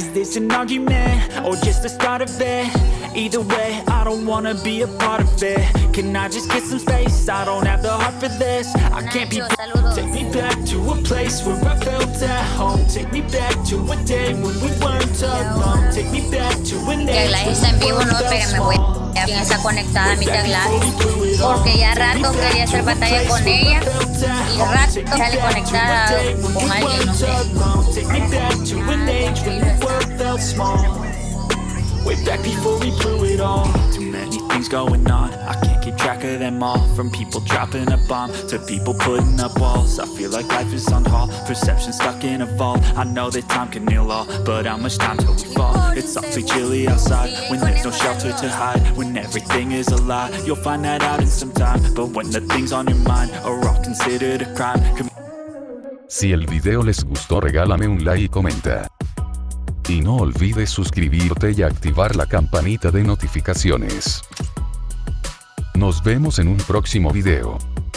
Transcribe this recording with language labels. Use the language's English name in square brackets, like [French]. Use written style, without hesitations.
[English] Is this an argument or just the start of it? Either way, I don't wanna be a part of it. Can I just get some space? I don't have the heart for this. I can't be take me back to a place where I felt at home. Take me back to a day when we weren't alone. Take me back to an age. [Spanish] Quien está conectada a mi teclado, porque ya rato quería hacer batalla con ella y rato sale conectada con alguien, no sé. [English] Going on, I can't keep track of them all. From people dropping a bomb to people putting up walls. I feel like life is on hold, perception stuck in a vault. I know that time can heal all, but how much time till we fall? It's awfully chilly outside when there's no shelter to hide. When everything is a lie, you'll find that out in some time. But when the things on your mind are all considered a crime. [Spanish] Si el video les gustó, regálame un like y comenta. Y no olvides suscribirte y activar la campanita de notificaciones. Nos vemos en un próximo video.